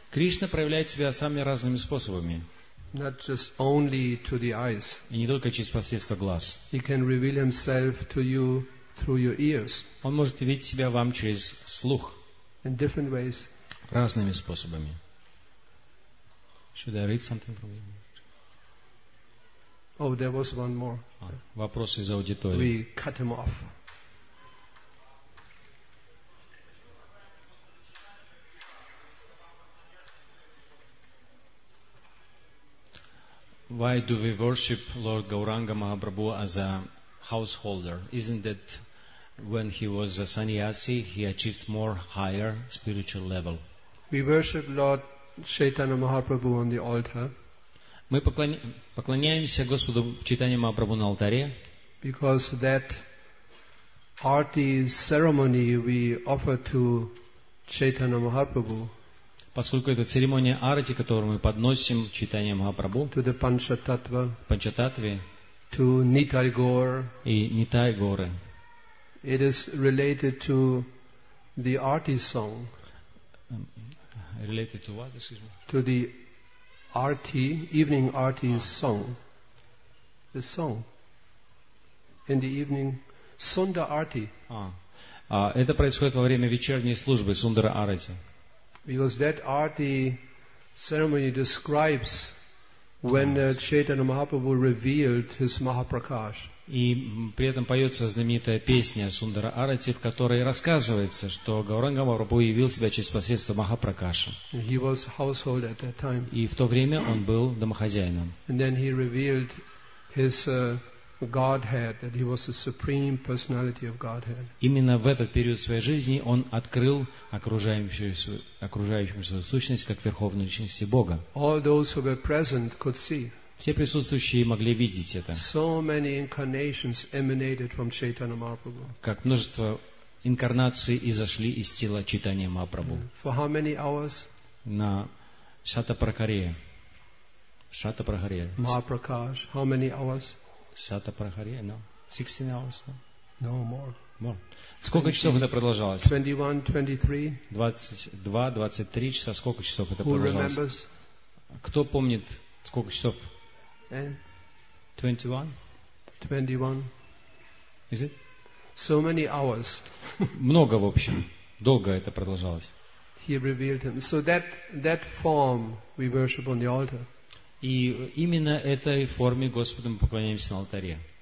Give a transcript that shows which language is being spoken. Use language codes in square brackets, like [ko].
[ru] Кришна проявляет себя самыми разными способами. [en] Not just only to the eyes. [ru] И не только через посредство глаз. [en] He can reveal himself to you through your ears. [ru] Он может видеть себя вам через слух. [en] In different ways. [ru] Разными способами. [en] Should I read something from you? Oh, there was one more. [ru] Вопрос из аудитории. [en] We cut him off. Why do we worship Lord Gauranga Mahaprabhu as a householder? Isn't that when he was a sannyasi, he achieved more higher spiritual level? We worship Lord Chaitanya Mahaprabhu on the altar. [ru] Мы поклоняемся Господу Чайтанья Махапрабху на алтаре. [en] Because that arti ceremony we offer to Chaitanya Mahaprabhu. [ru] Поскольку это церемония арати, которую мы подносим Чайтанья Махапрабху, панчататва, панчататве, [en] to Nitai Gaur, [ru] и Нитай Горы, [en] it is related to the arti song. Related to what, excuse me? To the arti, evening arti song. The song. In the evening, Sunda arti. [ru] Это происходит во время вечерней службы Сундара арати. [en] Because that arti ceremony describes when Chaitanya Mahaprabhu revealed his Mahaprakash. [ru] И при этом поется знаменитая песня Сундара Арати, в которой рассказывается, что Гауранга Махапрабху явил себя через посредство Махапракаша. [en] He was household at that time. [ru] И в то время он был домохозяином. [en] And then he revealed his Godhead, that he was the supreme personality of Godhead. [ru] Именно в этот период своей жизни он открыл окружающую свою сущность как верховную личность Бога. [en] All those who were present could see. [ru] Все присутствующие могли видеть это. [en] So many incarnations emanated from Chaitanya Mahaprabhu. [ru] Как множество инкарнаций изошли из тела Чайтаньи Махапрабху. [en] For how many hours? [ru] На Шатапрахарея. Шатапрахарея. [en] Mahaprakash. How many hours? Сата Прахария, no. 16 hours, no? No, more. More. [ru] Сколько часов это продолжалось? [en] 21, 23. [ru] 22, 23 часа. Сколько часов это продолжалось? Кто помнит, сколько часов? [en] 21. Is it? So many hours. [ru] Много, в общем. Долго это продолжалось. [en] He revealed him. So that form we worship on the altar. [ru] И именно этой форме Господу мы поклоняемся на алтаре.